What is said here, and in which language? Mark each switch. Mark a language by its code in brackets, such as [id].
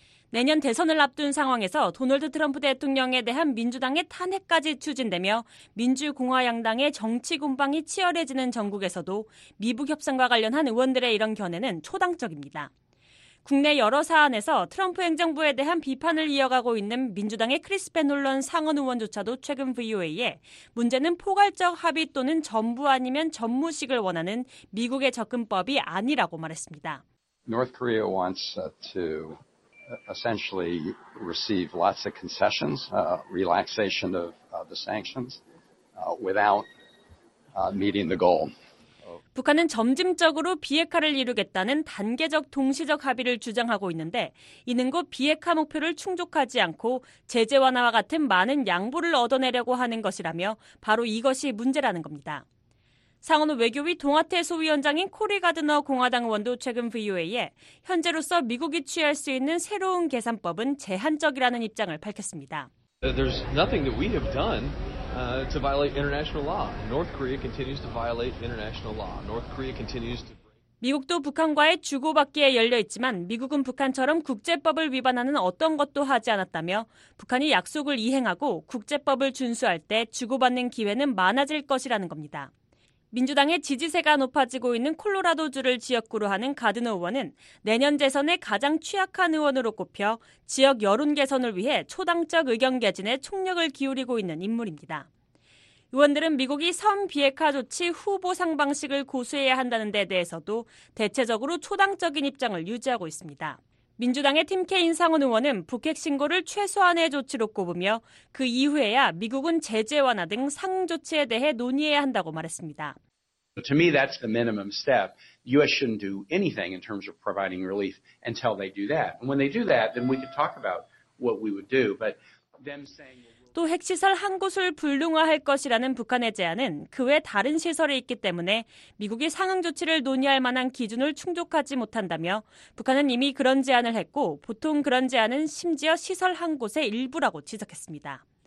[ko] 내년 대선을 앞둔 상황에서 도널드 트럼프 대통령에 대한 민주당의 탄핵까지 추진되며 민주공화양당의 정치 공방이 치열해지는 전국에서도 미북 협상과 관련한 의원들의 이런 견해는 초당적입니다. 국내 여러 사안에서 트럼프 행정부에 대한 비판을 이어가고 있는 민주당의 크리스 베놀런 상원 의원조차도 최근 VOA에 문제는 포괄적 합의 또는 전부 아니면 전무식을 원하는 미국의 접근법이 아니라고 말했습니다. [en] North Korea wants to essentially receive lots of concessions, relaxation of the sanctions without meeting the goal. [ko] 북한은 점진적으로 비핵화를 이루겠다는 단계적 동시적 합의를 주장하고 있는데 이는 곧 비핵화 목표를 충족하지 않고 제재 완화와 같은 많은 양보를 얻어내려고 하는 것이라며 바로 이것이 문제라는 겁니다. 상원 외교위 동아태 소위원장인 코리 가드너 공화당 의원도 최근 VOA에 현재로서 미국이 취할 수 있는 새로운 계산법은 제한적이라는 입장을 밝혔습니다. [en] There's nothing that we have done to violate international law. North Korea continues to violate international law. North Korea continues to [ko] 미국도 북한과의 주고받기에 열려 있지만 미국은 북한처럼 국제법을 위반하는 어떤 것도 하지 않았다며 북한이 약속을 이행하고 국제법을 준수할 때 주고받는 기회는 많아질 것이라는 겁니다. 민주당의 지지세가 높아지고 있는 콜로라도주를 지역구로 하는 가드너 의원은 내년 재선에 가장 취약한 의원으로 꼽혀 지역 여론 개선을 위해 초당적 의견 개진에 총력을 기울이고 있는 인물입니다. 의원들은 미국이 선 비핵화 조치 후 보상 방식을 고수해야 한다는 데 대해서도 대체적으로 초당적인 입장을 유지하고 있습니다. 민주당의 팀 케인 상원 의원은 북핵 신고를 최소한의 조치로 꼽으며 그 이후에야 미국은 제재 완화 등 상응 조치에 대해 논의해야 한다고 말했습니다. [en] To me, that's the minimum step. U.S. shouldn't do anything in terms of providing relief until they do that. And when they do that, then we could talk about what we would do. But them saying [ko] 또 핵시설 한 곳을 불능화할 것이라는 북한의 제안은 그 외 다른 시설이 있기 때문에 미국이 상응 조치를 논의할 만한 기준을 충족하지 못한다며 북한은 이미 그런 제안을 했고 보통 그런 제안은 심지어 시설 한 곳의 일부라고 지적했습니다.